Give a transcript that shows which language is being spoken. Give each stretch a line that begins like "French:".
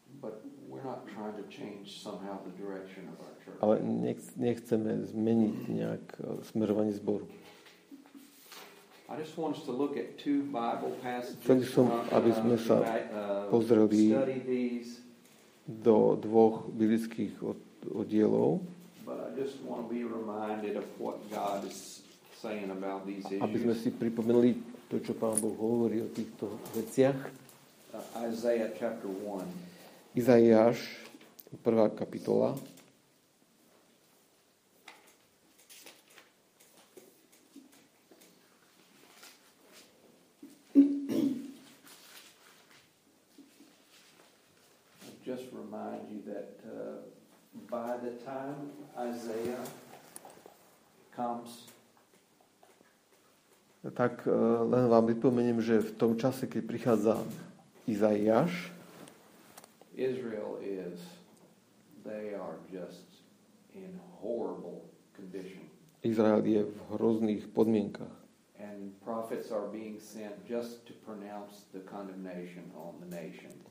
English: But we're not trying to change somehow the direction of our church.
Slovak: Ale nechceme zmeniť nejak smerovanie zboru.
English: I just want us to look at two Bible passages.
Slovak: Chcel by som, aby sme sa pozreli do dvoch biblických oddielov.
English: But I just want to be reminded of what God is saying about these issues.
Slovak: Aby sme si pripomenuli to, čo Pán Boh hovorí o týchto veciach.
English: Isaiah chapter 1.
Slovak: Izaiáš, prvá kapitola.
English: Just remind you that by the time Isaiah comes.
Slovak: Tak len vám pripomeniem, že v tom čase, keď prichádza Izaiáš,
English: Israel is, they are just in horrible condition.
Slovak: Izrael je v hrozných podmienkach.
English: And prophets are being sent just to pronounce the condemnation on the nation.